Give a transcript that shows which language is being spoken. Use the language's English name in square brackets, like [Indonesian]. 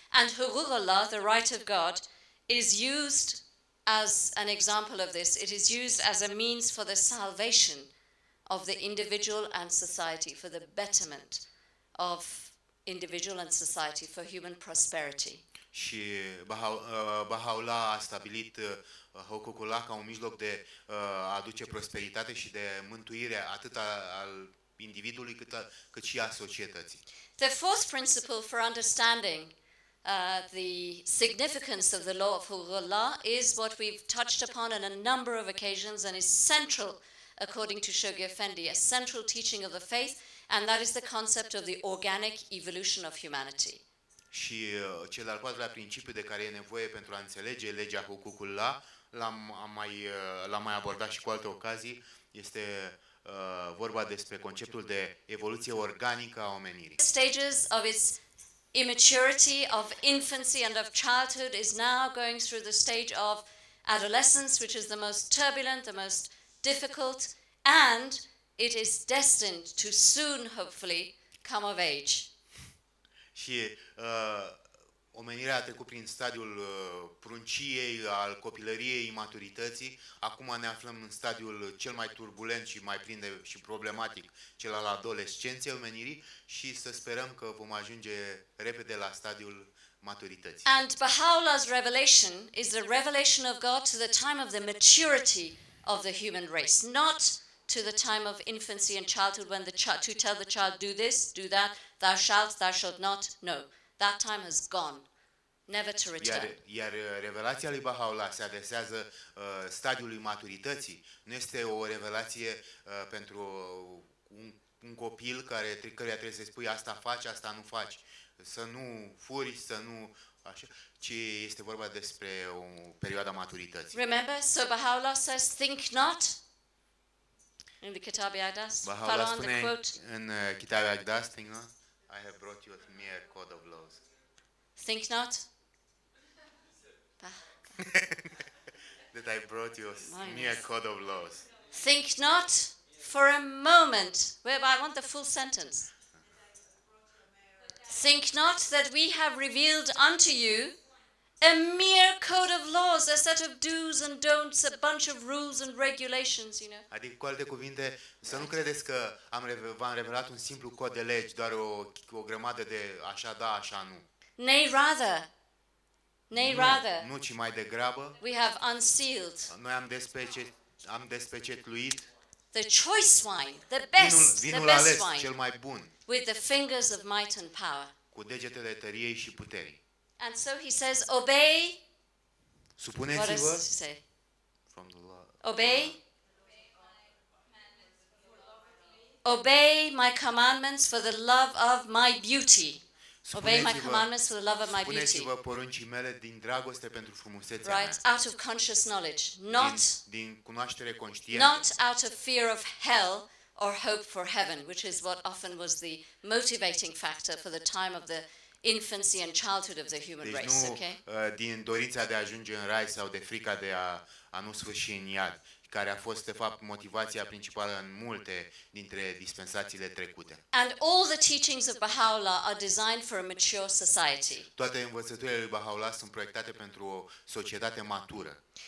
[English] And hukuk Allah, the right of God, is used as an example of this. It is used as a means for the salvation of the individual and society, for the betterment of individual and society, for human prosperity. [Romanian] Și Baha'u'llah a stabilit hukuk Allah ca un mijloc de a aduce prosperitate și de mântuire atât al individului cât și a societății. [English] The fourth principle for understanding the significance of the law of hukuk Allah is what we've touched upon on a number of occasions and is central, according to Shoghi Effendi, a central teaching of the faith, and that is the concept of the organic evolution of humanity. [Romanian] Și cel al patrulea principiu de care e nevoie pentru a înțelege legea hukuk Allah, l-am mai abordat și cu alte ocazii, este vorba despre conceptul de evoluție organică a omenirii. [English] Stages of its immaturity, of infancy and of childhood is now going through the stage of adolescence, which is the most turbulent, the most difficult, and it is destined to soon, hopefully, come of age. [Romanian] Și Omenirea a trecut prin stadiul prunciei, al copilăriei, imaturității. Acum ne aflăm în stadiul cel mai turbulent și mai plin de, și problematic, cel al adolescenței omenirii, și să sperăm că vom ajunge repede la stadiul maturității. [English] And Baha'u'llah's revelation is the revelation of God to the time of the maturity of the human race, not to the time of infancy and childhood when the child, to tell the child, do this, do that, thou shalt not, no. That time has gone, never to return. [Romanian] Iar revelația lui Baha'u'llah se adresează stadiului maturității. Nu este o revelație pentru un copil care trebuie să-i spui asta faci, asta nu faci, să nu furi, să nu așa, ci este vorba despre o perioadă a maturității. [English] Remember, so Baha'u'llah says, think not. In the Kitab Yadast, Baha'u'llah [Romanian] spune [English] the quote, [Romanian] în [English] Kitab Yadast, think not. I have brought you with me a code of laws. Think not. That I brought you with me a code of laws. Think not for a moment. Wait, I want the full sentence. Think not that we have revealed unto you a mere code of laws, a set of do's and don'ts, a bunch of rules and regulations, you know. [Romanian] Adică, cu alte cuvinte, să nu credeți că v-am revelat un simplu cod de legi, doar o grămadă de așa da, așa nu. [English] Nay rather. [Romanian] Nu, ci mai degrabă. [English] We have unsealed. [Romanian] Noi am despecetluit. [English] The choice wine, the best, [Romanian] vinul [English] the best [Romanian] ales, [English] wine. [Romanian] Cel mai bun. [English] With the fingers of might and power. [Romanian] Cu degetele tăriei și puterii. [English] And so he says, obey. [Romanian] Supuneți-vă. [English] What does he say? From the law. Obey. Obey my commandments for the love of my beauty. Obey my commandments for the love of my beauty. [Romanian] Supuneți-vă poruncii mele din dragoste pentru frumusețea mea. [English] Right, out of conscious knowledge, not. [Romanian] Din cunoaștere conștientă. [English] Not out of fear of hell or hope for heaven, which is what often was the motivating factor for the time of the infancy and childhood of the human [Romanian] deci [English] race, [Romanian] nu, [English] okay? [Romanian] Din dorința de a ajunge în rai sau de frica de a nu sfârși în iad, care a fost de fapt motivația principală în multe dintre dispensațiile trecute. [English] And all the teachings of Baha'u'llah are designed for a mature society. [Romanian] Toate învățăturile lui Baha'u'llah sunt proiectate pentru o societate matură.